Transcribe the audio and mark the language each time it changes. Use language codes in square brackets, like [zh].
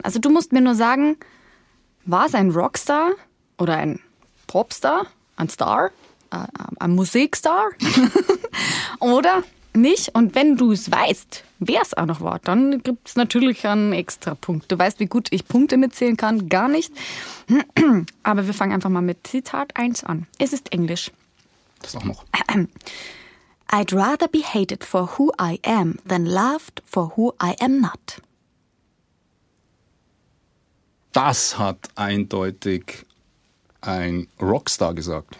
[de] Also du musst mir nur sagen, war es ein Rockstar oder ein Popstar, ein Star, ein Musikstar oder nicht? Und wenn du es weißt, wer es auch noch war, dann gibt es natürlich einen extra Punkt. Du weißt, wie gut ich Punkte mitzählen kann? Gar nicht. Aber wir fangen einfach mal mit Zitat 1 an. Es ist Englisch. Das auch noch. [en] I'd rather be hated for who I am than loved for who I am not. [de] Das hat eindeutig ein Rockstar gesagt.